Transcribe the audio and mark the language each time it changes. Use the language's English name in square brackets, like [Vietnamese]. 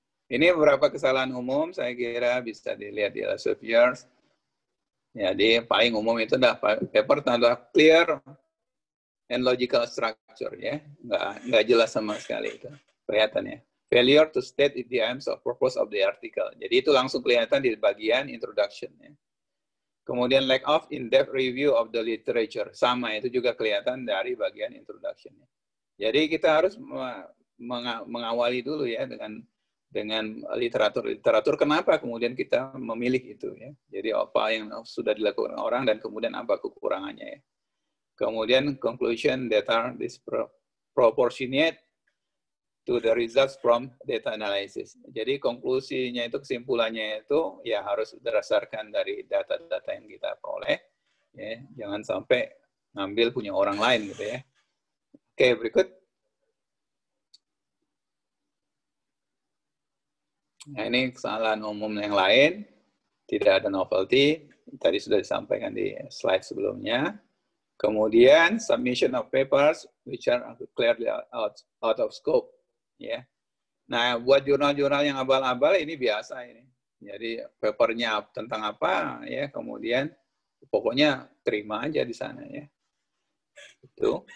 [Indonesian] Ini beberapa kesalahan umum, saya kira bisa dilihat di [English] last of years. [Indonesian] Jadi, paling umum itu adalah paper tanda [English] clear and logical structure. [Indonesian] Ya. Nggak jelas sama sekali itu. Kelihatan ya. [English] Failure to state the aims of purpose of the article. [Indonesian] Jadi, itu langsung kelihatan di bagian introduction. Ya. Kemudian [English] lack of in-depth review of the literature. [Indonesian] Sama, itu juga kelihatan dari bagian introduction-nya. Jadi kita harus mengawali dulu ya dengan literatur-literatur. Kenapa kemudian kita memilih itu ya. Jadi apa yang sudah dilakukan orang dan kemudian apa kekurangannya ya. Kemudian [English] conclusion data disproportionate to the results from data analysis. [Indonesian] Jadi konklusinya itu, kesimpulannya itu ya harus berdasarkan dari data-data yang kita peroleh. Ya, jangan sampai ngambil punya orang lain gitu ya. Oke, berikut. Nah, ini kesalahan umum yang lain. Tidak ada novelty. Tadi sudah disampaikan di slide sebelumnya. Kemudian [English] submission of papers which are clearly out of scope. [Indonesian] Ya, nah buat jurnal-jurnal yang abal-abal ini biasa ini. Jadi papernya tentang apa ya, kemudian pokoknya terima aja di sana ya. Itu.